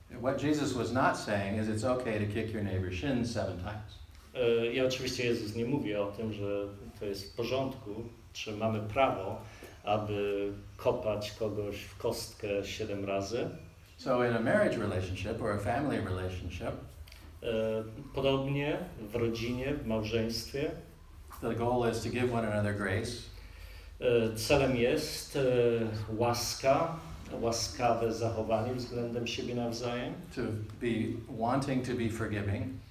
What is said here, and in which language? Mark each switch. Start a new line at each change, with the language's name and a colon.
English: What Jesus was not saying is it's okay to kick your neighbor's shin seven times.
Polish: I oczywiście Jezus nie mówi o tym, że to jest w porządku, czy mamy prawo, aby kopać kogoś w kostkę 7 razy.
English: So in a marriage relationship or a family relationship,
Polish: podobnie w rodzinie, w małżeństwie,
English: the goal is to give one another grace.
Polish: Celem jest łaska, łaskawe zachowanie względem siebie nawzajem.
English: To be wanting to be forgiving.